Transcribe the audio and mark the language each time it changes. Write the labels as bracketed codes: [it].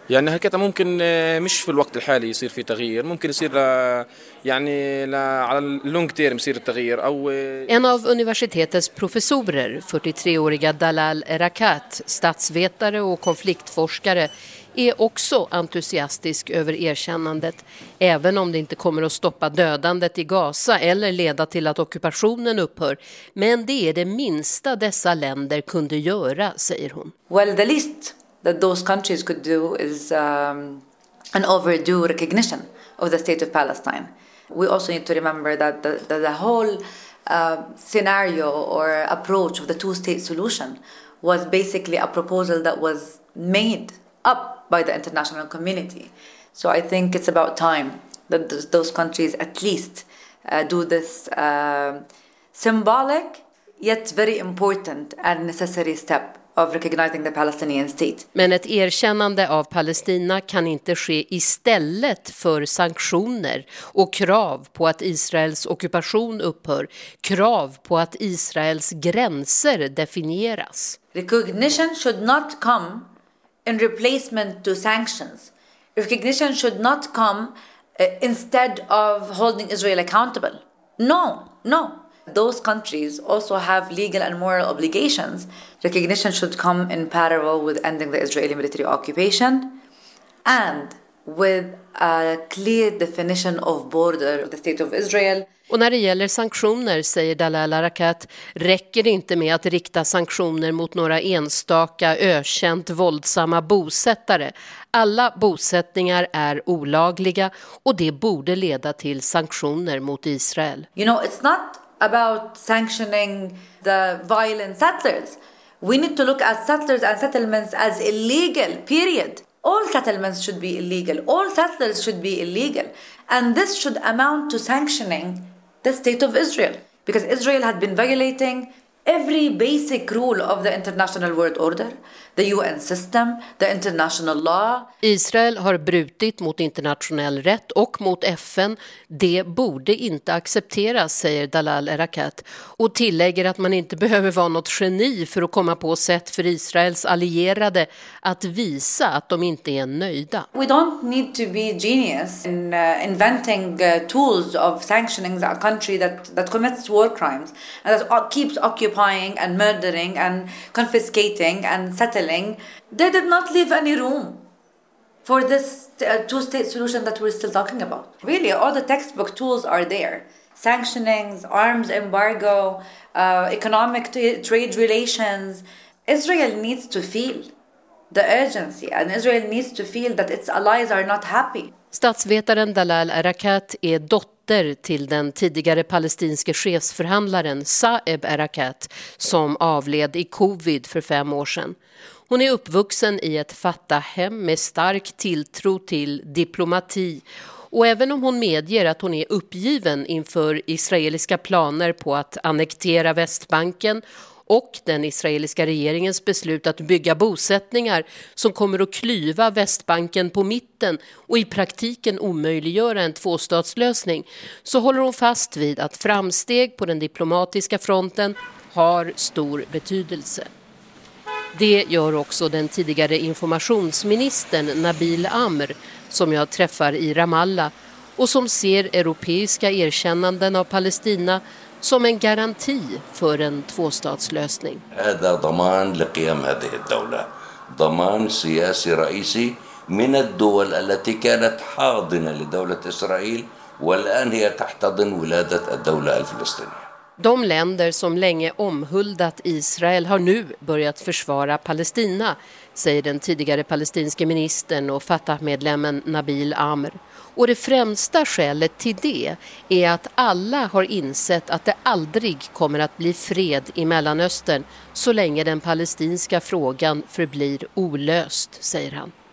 [ar] يعني هكذا ممكن مش في الوقت الحالي يصير في تغيير ممكن يصير يعني على اللونج تيرم يصير التغيير او [sv] en av universitetets professorer, 43-åriga Dalal Erakat, statsvetare och konfliktforskare, är också entusiastisk över erkännandet, även om det inte kommer att stoppa dödandet i Gaza eller leda till att ockupationen upphör. Men det är det minsta dessa länder kunde göra, säger hon. [en] Well, the least that those countries could do is an overdue recognition of the state of Palestine. We also need to remember that the whole scenario or approach of the two-state solution was basically a proposal that was made up by the international community. So I think it's about time that those countries at least do this symbolic yet very important and necessary step of recognizing the Palestinian state. [sv] Men ett erkännande av Palestina kan inte ske istället för sanktioner och krav på att Israels ockupation upphör, krav på att Israels gränser definieras. [en] Recognition should not come in replacement to sanctions. Recognition should not come instead of holding Israel accountable. No, no. Those countries also have legal and moral obligations. Recognition should come in parallel with ending the Israeli military occupation and with a clear definition of border of the state of Israel. [sv] Och när det gäller sanktioner, säger Dalal Arakat, räcker det inte med att rikta sanktioner mot några enstaka, ökänt våldsamma bosättare. Alla bosättningar är olagliga och det borde leda till sanktioner mot Israel. [en] You know, it's not about sanctioning the violent settlers. We need to look at settlers and settlements as illegal, period. All settlements should be illegal. All settlers should be illegal. And this should amount to sanctioning the state of Israel. Because Israel had been violating every basic rule of the international world order, the UN system, the international law. [sv] Israel har brutit mot internationell rätt och mot FN. Det borde inte accepteras, säger Dalal Erakat. Och tillägger att man inte behöver vara något geni för att komma på sätt för Israels allierade att visa att de inte är nöjda. [en] We don't need to be genius in inventing tools of sanctioning a country that commits war crimes and that keeps occupying and murdering and confiscating and settling. They did not leave any room for this two-state solution that we're still talking about. Really, all the textbook tools are there. Sanctionings, arms embargo, economic trade relations. Israel needs to feel the urgency and Israel needs to feel that its allies are not happy. [sv] Statsvetaren Dalal Erakat är dotter till den tidigare palestinske chefsförhandlaren Saeb Erakat som avled i covid för 5 år sedan. Hon är uppvuxen i ett Fatah-hem med stark tilltro till diplomati. Och även om hon medger att hon är uppgiven inför israeliska planer på att annektera Västbanken och den israeliska regeringens beslut att bygga bosättningar som kommer att klyva Västbanken på mitten och i praktiken omöjliggöra en tvåstatslösning, så håller hon fast vid att framsteg på den diplomatiska fronten har stor betydelse. Det gör också den tidigare informationsministern Nabil Amr, som jag träffar i Ramallah, och som ser europeiska erkännanden av Palestina som en garanti för en tvåstatslösning. Det är [ar] ضمان لقيام هذه الدولة ضمان سياسي رئيسي من الدول التي كانت حاضنة لدولة إسرائيل والآن هي تحتضن ولادة الدولة الفلسطينية. [sv] De länder som länge omhuldat Israel har nu börjat försvara Palestina, säger den tidigare palestinske ministern och Fatah-medlemmen Nabil Amr. Och det främsta skälet till det är att alla har insett att det aldrig kommer att bli fred i Mellanöstern så länge den palestinska frågan förblir olöst, säger han.